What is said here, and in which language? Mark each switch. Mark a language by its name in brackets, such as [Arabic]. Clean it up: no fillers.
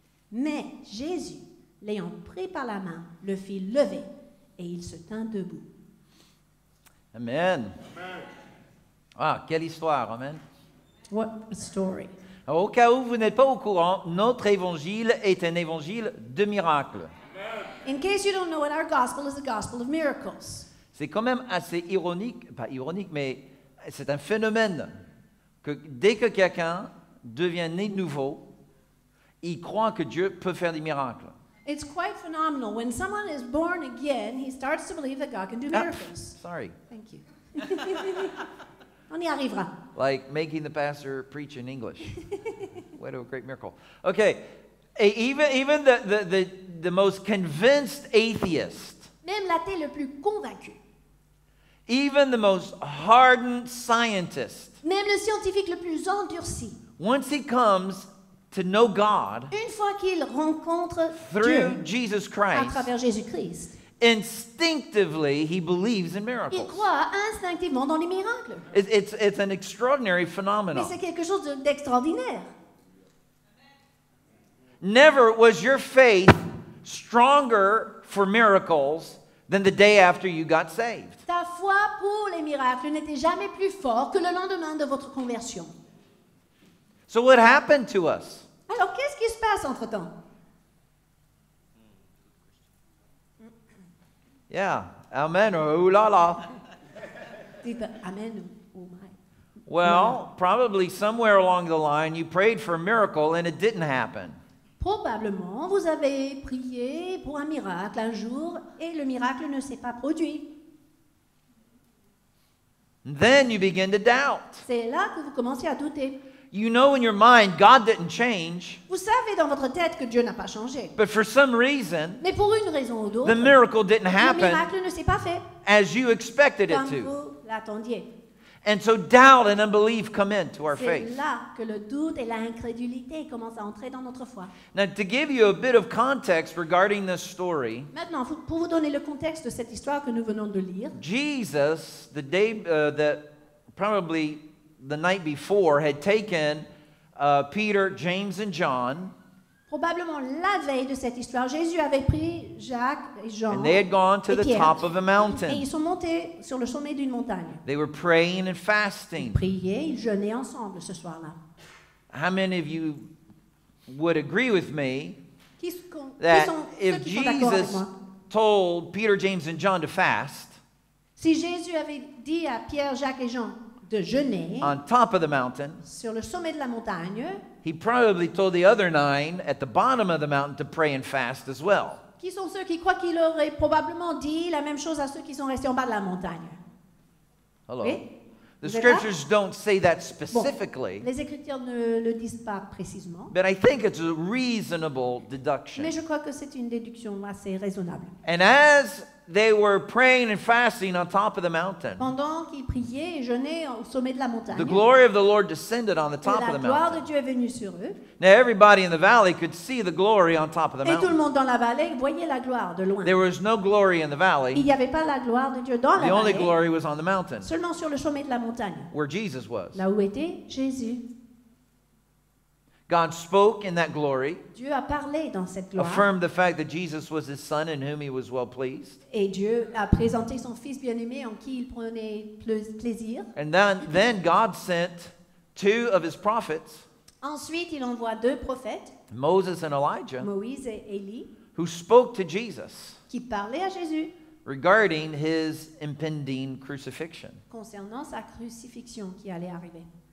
[French] Mais Jésus, l'ayant pris par la main, le fit lever et il se tint debout. Amen. Amen. Ah, quelle histoire, amen. [English] What a story. [French] Alors, au cas où vous n'êtes pas au courant, notre évangile est un évangile de miracles. [English] In case you don't know it, our gospel is a gospel of miracles. [French] C'est quand même assez ironique, pas ironique, mais c'est un phénomène que dès que quelqu'un devient né de nouveau, il croit que Dieu peut faire des miracles. [English] It's quite phenomenal. When someone is born again, he starts to believe that God can do miracles. Sorry. Thank you. [French] On y arrivera. [English] Like making the pastor preach in English. What a great miracle. Okay, even the most convinced atheist. [French] Même l'athée le plus convaincu. [English] Even the most hardened scientist. [French] Même le scientifique le plus endurci. [English] Once he comes to know God. [French] Une fois qu'il rencontre [English] through [French] Dieu. [English] Jesus Christ. [French] À travers Jésus-Christ. [English] Instinctively, he believes in miracles. [French] Il croit instinctivement dans les miracles. [English] It's an extraordinary phenomenon. [French] Mais c'est quelque chose d'extraordinaire. [English] Never was your faith stronger for miracles than the day after you got saved. [French] Ta foi pour les miracles n'était jamais plus forte que le lendemain de votre conversion. [English] So what happened to us? [French] Alors qu'est-ce qui se passe entre-temps? [English] Yeah, amen, ooh la la. Amen, oh my. Well, probably somewhere along the line, you prayed for a miracle and it didn't happen. [French] Probablement, vous avez prié pour un miracle un jour et le miracle ne s'est pas produit. [English] Then you begin to doubt. [French] C'est là que vous commencez à douter. [English] You know in your mind God didn't change. [French] Vous savez dans votre tête que Dieu n'a pas changé. [English] But for some reason, [French] mais pour une raison ou d'autre, [English] the miracle didn't happen. [French] Le miracle ne s'est pas fait. [English] As you expected it to. [French] Comme vous l'attendiez. [English] And so doubt and unbelief come into our faith. [French] C'est là que le doute et l'incrédulité commencent à entrer dans notre foi. [English] Now to give you a bit of context regarding this story. [French] Maintenant, pour vous donner le contexte de cette histoire que nous venons de lire. [English] Jesus, the day that probably the night before, had taken Peter, James, and John. [French] Probablement la veille de cette histoire, Jésus avait pris Jacques et Jean. [English] And they had gone to the top of a mountain. [French] Et ils sont montés sur le sommet d'une montagne. [English] They were praying and fasting. [French] Ils priaient, ils jeûnaient ensemble ce soir-là. [English] How many of you would agree with me that if Jesus told Peter, James, and John to fast, [French] si Jésus avait dit à Pierre, Jacques et Jean de jeûner, [English] on top of the mountain, [French] sur le sommet de la montagne, [English] he probably told the other nine at the bottom of the mountain to pray and fast as well. [French] Qui sont ceux qui croient qu'il aurait probablement dit la même chose à ceux qui sont restés en bas de la montagne? [English] Hello. Oui? The scriptures don't say that specifically. [French] Bon, les écritures ne le disent pas précisément. [English] But I think it's a reasonable deduction. [French] Mais je crois que c'est une déduction assez raisonnable. [English] And as they were praying and fasting on top of the mountain, [French] pendant qu'ils priaient et jeûnaient au sommet de la montagne, [English] the glory of the Lord descended on the top of the mountain. [French] La gloire de Dieu est venue sur eux. [English] Now everybody in the valley could see the glory on top of the mountain. [French] Et tout le monde dans la vallée voyait la gloire de loin. [English] There was no glory in the valley. [French] Il n'y avait pas la gloire de Dieu dans la vallée. [English] The only glory was on the mountain. [French] Seulement sur le sommet de la montagne. [English] Where Jesus was. [French] Là où était Jésus. [English] God spoke in that glory. [French] Dieu a parlé dans cette gloire. [English] Affirmed the fact that Jesus was his son in whom he was well pleased. [French] Et Dieu a présenté son fils bien-aimé en qui il prenait plaisir. [English] And then God sent two of his prophets. [French] Ensuite, il envoie deux prophètes. [English] Moses and Elijah. [French] Moïse et Élie. [English] Who spoke to Jesus. [French] Qui parlaient à Jésus. [English] Regarding his impending crucifixion. [French] Concernant sa crucifixion qui allait arriver.